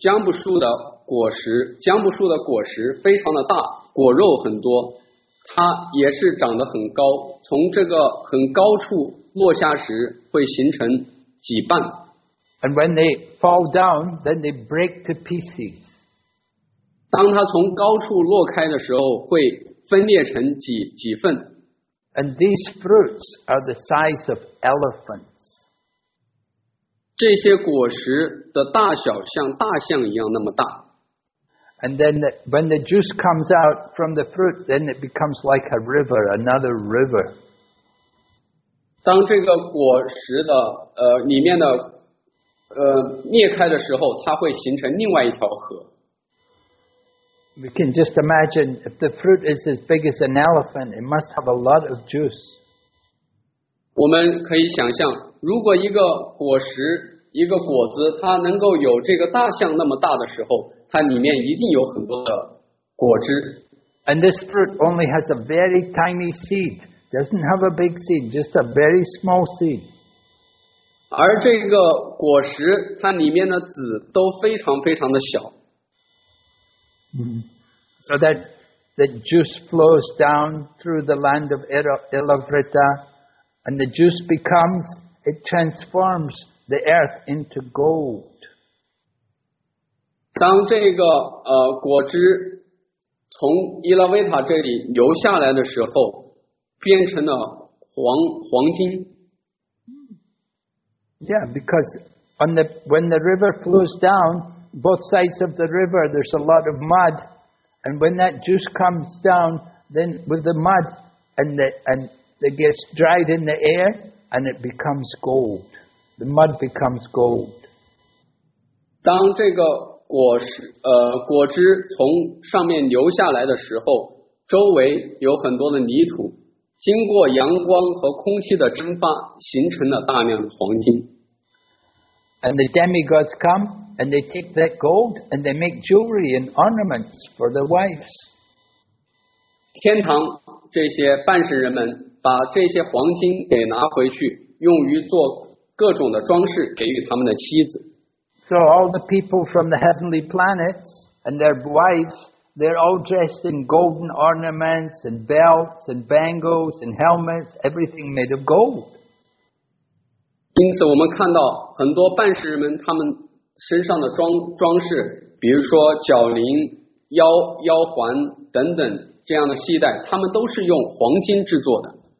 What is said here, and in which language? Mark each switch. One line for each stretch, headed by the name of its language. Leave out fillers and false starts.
Chinese: 姜布树的果实非常的大，果肉很多，它也是长得很高，从这个很高处落下时会形成几瓣。
English: And when they fall down, then they break to pieces.
Chinese: 当它从高处落开的时候，会分裂成几份。
English: And these fruits are the size of elephants.
Chinese: 这些果实的大小像大象一样那么大。
English: And then when the juice comes out from the fruit, then it becomes like a river, another river.
Chinese: 当这个果实的里面的裂开的时候，它会形成另外一条河。
English: We can just imagine if the fruit is as big as an elephant, it must have a lot of juice.
Chinese: 我们可以想象，如果一个果实、一个果子，它能够有这个大象那么大的时候，它里面一定有很多的果汁。
English: And this fruit only has a very tiny seed, doesn't have a big seed, just a very small seed.
Chinese: 而这个果实，它里面的籽都非常非常的小。
English: So that the juice flows down through the land of Elavrita. And the juice becomes, it transforms the earth into gold.
Chinese: 当这个果汁从伊拉维塔这里流下来的时候，变成了黄金。
English: Yeah, because when the river flows down, both sides of the river, there's a lot of mud. And when that juice comes down, then with the mud and it gets dried in the air and it becomes gold. The mud becomes gold.
Chinese: 当这个果汁从上面流下来的时候，周围有很多的泥土，经过阳光和空气的蒸发，形成了大量的黄金。
English: And the demigods come and they take that gold and they make jewelry and ornaments for their wives.
Chinese: 天堂这些半神人们把这些黄金给拿回去，用于做各种的装饰，给予他们的妻子。
English: So all the people from the heavenly planets and their wives, they're all dressed in golden ornaments and belts and bangles and helmets, everything made of gold.
Chinese: 因此我们看到很多办事人们他们身上的装饰比如说脚铃腰环等等这样的系带他们都是用黄金制作的。